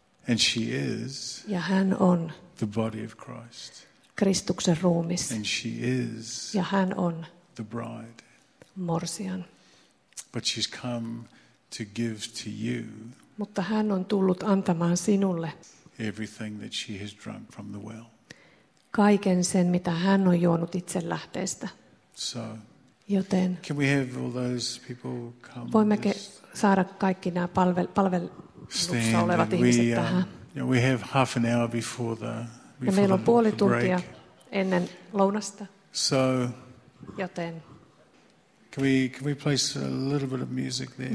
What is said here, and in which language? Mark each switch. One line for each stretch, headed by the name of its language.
English: And she is
Finnish: ja hän on
English: the body of Christ.
Finnish: Kristuksen ruumis.
English: And she is
Finnish: ja hän on
English: the bride.
Finnish: Morsian.
English: But she's come to give to you.
Finnish: Mutta hän on tullut antamaan sinulle.
English: Everything that she has drunk from the well.
Finnish: Kaiken sen mitä hän on juonut itse lähteestä.
English: So.
Finnish: Joten.
English: Can we have all those people come?
Finnish: Voimmeko saada kaikki nämä palveluksessa olevat ihmiset tähän?
English: We have half an hour before the break.
Finnish: Ja meillä on puoli tuntia ennen lounasta.
English: So.
Finnish: Joten.
English: Can we place a little bit of music there?